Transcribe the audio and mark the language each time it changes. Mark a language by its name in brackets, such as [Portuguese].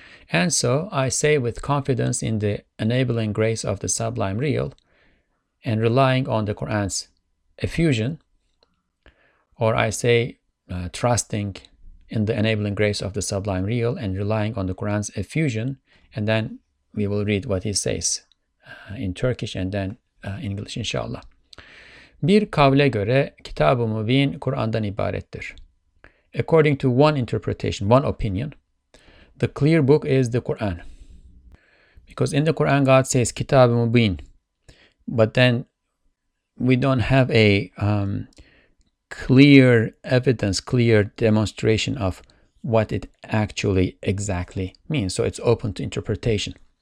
[English] And so I say with confidence in the enabling grace of the sublime real and relying on the Quran's effusion, or I say, trusting in the enabling grace of the sublime real and relying on the Quran's effusion, and then we will read what he says in Turkish and then English, inshallah. [Turkish] Bir kavle göre kitab-ı mubin Kur'an'dan ibarettir. [English] According to one interpretation, one opinion, the clear book is the Quran. Because in the Quran, God says kitab-ı mubin, but then we don't have a clear evidence, clear demonstration of what it actually exactly means. So it's open to interpretation.